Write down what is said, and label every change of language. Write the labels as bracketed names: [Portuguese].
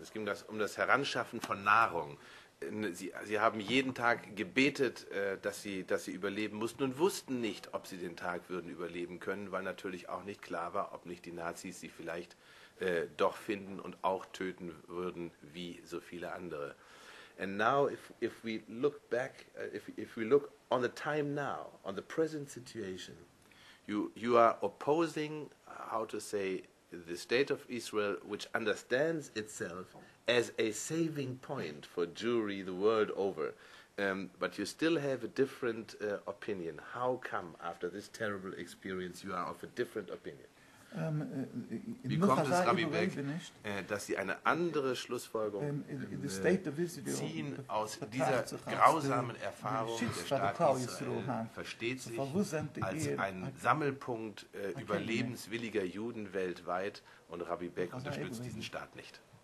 [German] Es ging um das Heranschaffen von Nahrung. Sie haben jeden Tag gebetet, dass sie überleben mussten und wussten nicht, ob sie den Tag würden überleben können, weil natürlich auch nicht klar war, ob nicht die Nazis sie vielleicht doch finden und auch töten würden, wie so viele andere. [English] And now, if we look back, if we look on the time now, on the present situation, You are opposing, how to say, the state of Israel, which understands itself as a saving point for Jewry the world over. But you still have a different opinion. How come, after this terrible experience, you are of a different opinion? [German] Wie kommt es, Rabbi Beck, dass Sie eine andere Schlussfolgerung ziehen aus dieser grausamen Erfahrung des Staates Israel, versteht sich als ein Sammelpunkt überlebenswilliger Juden weltweit und Rabbi Beck unterstützt diesen Staat nicht?